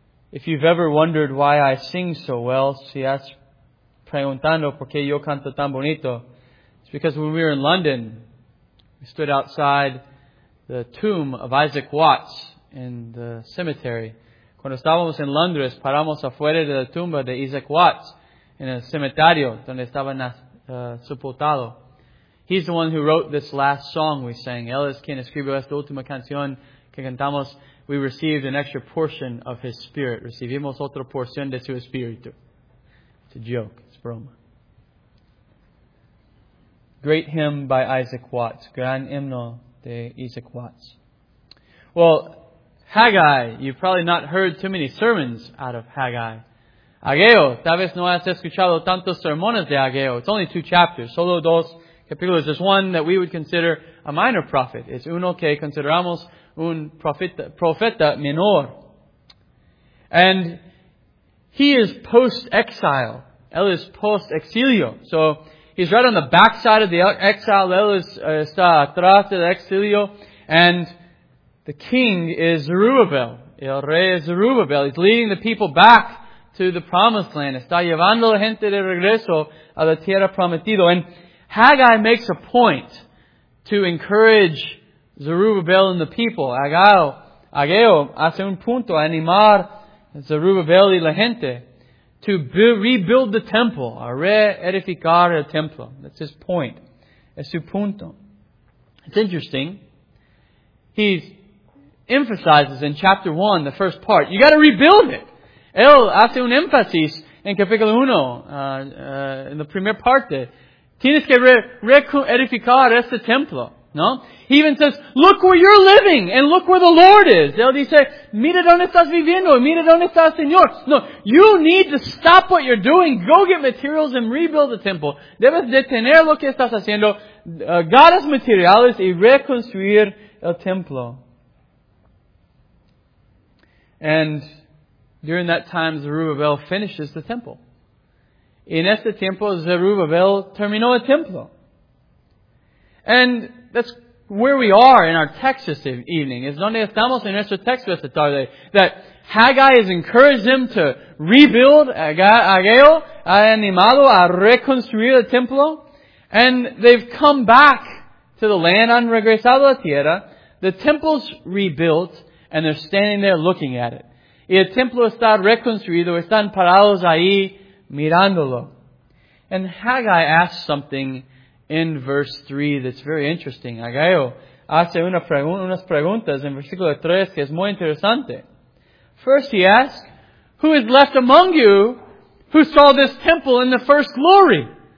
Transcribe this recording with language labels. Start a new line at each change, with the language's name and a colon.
English: If you've ever wondered why I sing so well,
Spanish: si has preguntando por qué yo canto tan bonito,
English: it's because when we were in London, we stood outside the tomb of Isaac Watts in the cemetery.
Spanish: Cuando estábamos en Londres, paramos afuera de la tumba de Isaac Watts en el cemetario donde estaba sepultado.
English: He's the one who wrote this last song we sang.
Spanish: Él es quien escribió esta última canción que cantamos.
English: We received an extra portion of His Spirit.
Spanish: Recibimos otra porción de su espíritu.
English: It's a joke. It's broma. Great hymn by Isaac Watts.
Spanish: Gran himno de Isaac Watts.
English: Well, Haggai. You've probably not heard too many sermons out of Haggai.
Spanish: Ageo. Tal vez no has escuchado tantos sermones de Ageo.
English: It's only 2 chapters.
Spanish: Solo 2 capítulos.
English: There's one that we would consider a minor prophet.
Spanish: Es uno que consideramos un profeta menor.
English: And he is post-exile.
Spanish: Él es post-exilio.
English: So he's right on the backside of the exile.
Spanish: Él está atrás del exilio.
English: And the king is Zerubbabel.
Spanish: El rey es Zerubbabel.
English: He's leading the people back to the promised land.
Spanish: Está llevando la gente de regreso a la tierra prometida.
English: And Haggai makes a point to encourage Zerubbabel and the people.
Spanish: Ageo hace un punto a animar Zerubbabel y la gente
English: to rebuild the temple,
Spanish: a reedificar el templo.
English: That's his point.
Spanish: Es su punto.
English: It's interesting. He emphasizes in chapter 1, the first part, you got to rebuild it.
Spanish: Él hace un énfasis en capítulo 1, en la primera parte. Tienes que reedificar este templo. No?
English: He even says, look where you're living and look where the Lord is.
Spanish: Él dice, mira donde estás viviendo y mira donde está el Señor.
English: No, you need to stop what you're doing. Go get materials and rebuild the temple.
Spanish: Debes detener lo que estás haciendo. Agarras materiales y reconstruir el templo.
English: And during that time, Zerubbabel finishes the temple.
Spanish: En este tiempo, Zerubbabel terminó el templo.
English: And that's where we are in our text this evening.
Spanish: Es donde estamos en nuestro texto esta tarde.
English: That Haggai has encouraged them to rebuild.
Spanish: Ageo ha animado a reconstruir el templo.
English: And they've come back to the land.
Spanish: Han regresado a la tierra.
English: The temple's rebuilt. And they're standing there looking at it.
Spanish: Y el templo está reconstruido. Están parados ahí mirándolo.
English: And Haggai asks something in verse 3 that's very interesting.
Spanish: Ageo hace unas preguntas en versículo 3 que es muy interesante.
English: First he asks, who is left among you who saw this temple in the first glory?